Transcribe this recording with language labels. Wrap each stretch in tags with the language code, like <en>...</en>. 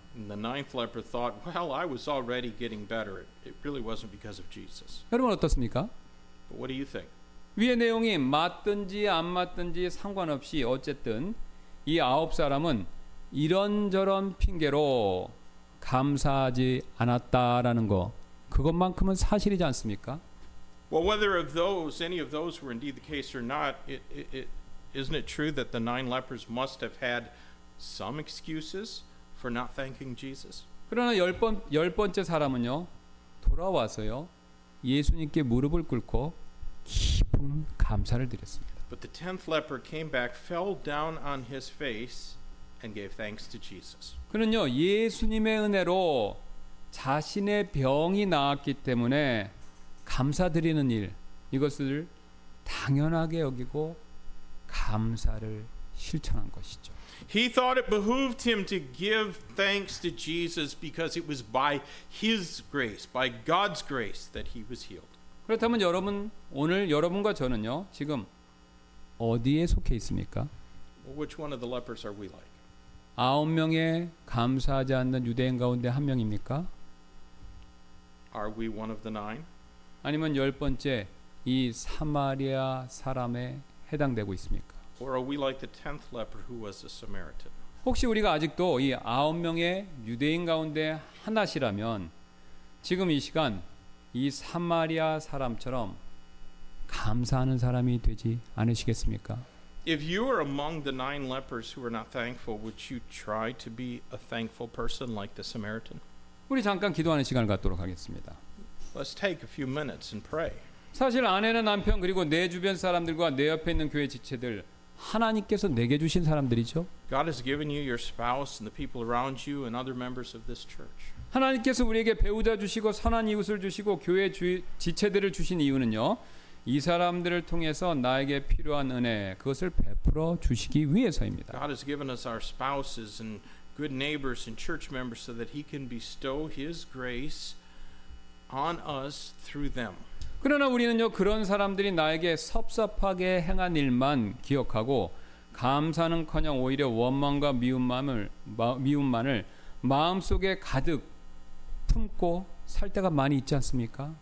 <en>And the ninth leper thought, well, I was already getting better. It really wasn't because of Jesus.</en> <ko>여러분 어떻습니까?</ko> <en>But what do you think?</en> <ko>위의 내용이 맞든지 안 맞든지 상관없이 어쨌든 이 아홉 사람은 이런저런 핑계로 감사하지 않았다라는 거 그것만큼은 사실이지 않습니까?</ko> <en>Well, whether of those, any of those were indeed the case or not, isn't it true that the nine lepers must have had some excuses for not thanking Jesus?</en> <ko>그러나 열 번째 사람은요, 돌아와서요, 예수님께 무릎을 꿇고 깊은 감사를 드렸습니다.</ko> <en>But the tenth leper came back, fell down on his face, and gave thanks to Jesus.</en> <ko>그는요, 예수님의 은혜로 자신의 병이 나았기 때문에 감사드리는 일 이것을 당연하게 여기고 감사를 실천한 것이죠.</ko> <en>He thought it behooved him to give thanks to Jesus because it was by his grace, by God's grace that he was healed.</en> <ko>그렇다면 여러분 오늘 여러분과 저는요 지금 어디에 속해 있습니까?</ko> <en>Which one of the lepers are we like?</en> <ko>아홉 명의 감사하지 않는 유대인 가운데 한 명입니까?</ko> <en>Are we one of the nine?</en> <ko>아니면 열 번째 이 사마리아 사람에 해당되고 있습니까?</ko> <en>Or are we like the tenth leper who was a Samaritan?</en> <ko>혹시 우리가 아직도 이 아홉 명의 유대인 가운데 하나시라면 지금 이 시간 이 사마리아 사람처럼 감사하는 사람이 되지 않으시겠습니까?</ko> <en>If you are among the nine lepers who are not thankful, would you try to be a thankful person like the Samaritan?</en> <ko>우리 잠깐 기도하는 시간을 갖도록 하겠습니다.</ko> <en>Let's take a few minutes and pray.</en> <ko>사실 아내는 남편 그리고 내 주변 사람들과 내 옆에 있는 교회 지체들 하나님께서 내게 주신 사람들이죠.</ko> <en>God has given you your spouse and the people around you and other members of this church.</en> <ko>하나님께서 우리에게 배우자 주시고 선한 이웃을 주시고 교회 지체들을 주신 이유는요. 이 사람들을 통해서 나에게 필요한 은혜 그것을 베풀어 주시기 위해서입니다.</ko> <en>God has given us our spouses and good neighbors and church members so that he can bestow his grace on us through them.</en> <ko>그러나 우리는요 그런 사람들이 나에게 섭섭하게 행한 일만 기억하고 감사는커녕 오히려 원망과 미움만을 마음속에 가득 품고 살 때가 많이 있지 않습니까?</ko>